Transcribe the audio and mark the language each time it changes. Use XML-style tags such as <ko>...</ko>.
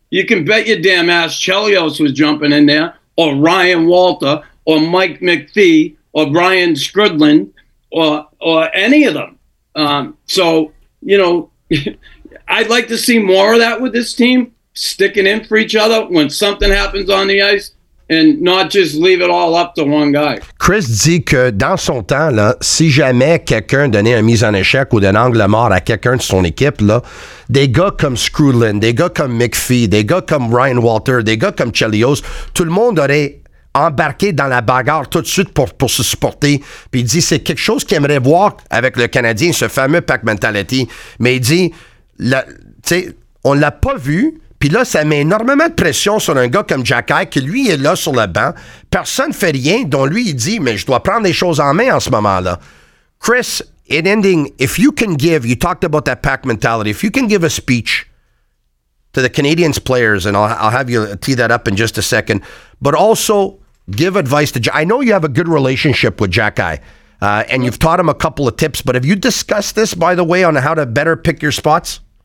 <en>You can bet your damn ass Chelios was jumping in there, or Ryan Walter, or Mike McPhee, or Brian Scridland, or any of them. So, you know, I'd like to see more of that with this team, sticking in for each other when something happens on the ice, and not just leave it all up to one guy.</en> <fr>Chris dit que dans son temps, là, si jamais quelqu'un donnait un mise en échec ou d'un angle mort à quelqu'un de son équipe, là, des gars comme Skrulin, des gars comme McPhee, des gars comme Ryan Walter, des gars comme Chelios, tout le monde aurait embarqué dans la bagarre tout de suite pour se supporter. Puis il dit c'est quelque chose qu'il aimerait voir avec le Canadien, ce fameux pack mentality. Mais il dit, tu sais, on l'a pas vu. Puis là, ça met énormément de pression sur un gars comme Jack Eye, qui lui est là sur le banc. Personne ne fait rien, dont lui, il dit, mais je dois prendre les choses en main en ce moment-là.</fr> <en>Chris, in ending, if you can give, you talked about that pack mentality, if you can give a speech to the Canadiens players, and I'll have you tee that up in just a second, but also give advice to Jack. I know you have a good relationship with Jack Eye, and you've taught him a couple of tips, but have you discussed this, by the way, on how to better pick your spots?</en>